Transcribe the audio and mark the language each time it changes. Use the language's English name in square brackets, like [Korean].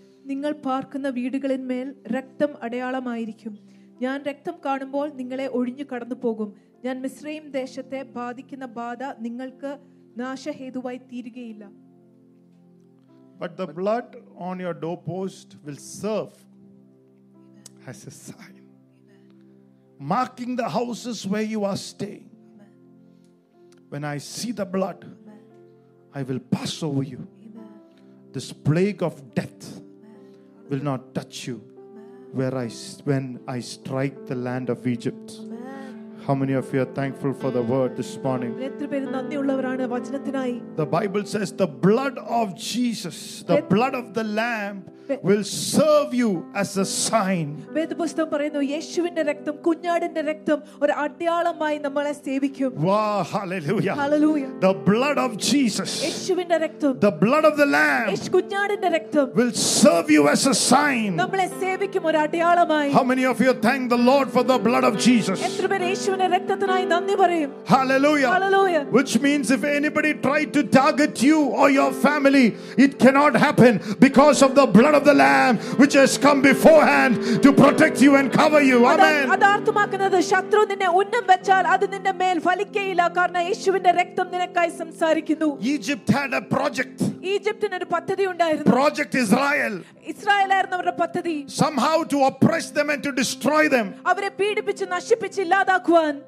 [Malayalam] നിങ്ങൾ പാർക്കുന്ന വീടുകളിന്മേൽ രക്തം അടയാളമായിരിക്കും. ഞാൻ രക്തം കാണുമ്പോൾ നിങ്ങളെ ഒഴിഞ്ഞു കടന്നു പോകും. ഞാൻ മിസ്രയീം ദേശത്തെ ബാധിക്കുന്ന ബാധ നിങ്ങൾക്ക് നാശഹേതുവായി തീരുകയില്ല. [English] But the blood on your doorpost will serve as a sign, marking the houses where you are staying. When I see the blood, I will pass over you. This plague of death will not touch you when I strike the land of Egypt. How many of you are thankful for the word this morning? The Bible says the blood of Jesus, the blood of the Lamb, will serve you as a sign. [Malayalam] വേദപുസ്തകം പറയുന്നു യേശുവിന്റെ രക്തം കുഞ്ഞാടിന്റെ രക്തം ഒരു അടയാളമായി നമ്മളെ സേവിക്കും. വാ hallelujah hallelujah [English] The blood of Jesus, [Malayalam] യേശുവിന്റെ രക്തം, [English] The blood of the Lamb, [Malayalam] കുഞ്ഞാടിന്റെ രക്തം, [English] will serve you as a sign, [Malayalam] നമ്മളെ സേവിക്കും ഒരു അടയാളമായി. [English] How many of you thank the Lord for the blood of Jesus? [Malayalam] എത്ര പേർ യേശുവിന്റെ രക്തത്തിനായി നന്ദി പറയും? Hallelujah hallelujah [English] Which means if anybody tried to target you or your family, it cannot happen because of the blood of the Lamb which has come beforehand to protect you and cover you. Amen. [Malayalam] അദാർത്ഥമാക്കുന്നു ശത്രു നിന്നെ ഉന്നം വെച്ചാൽ അത് നിന്റെ മേൽ ഫലിക്കയില്ല കാരണം യേശുവിന്റെ രക്തം നിനക്കായി സംസാരിക്കുന്നു. [English] Egypt had a project. [Malayalam] ഈജിപ്തിന് ഒരു പദ്ധതി ഉണ്ടായിരുന്നു. [English] Project Israel. [Malayalam] ഇസ്രായേൽ ആയിരുന്നു അവരുടെ പദ്ധതി. [English] Somehow to oppress them and to destroy them. [Malayalam] അവരെ പീഡിപ്പിച്ച് നശിപ്പിച്ച് ഇല്ലാതാക്കുവാൻ.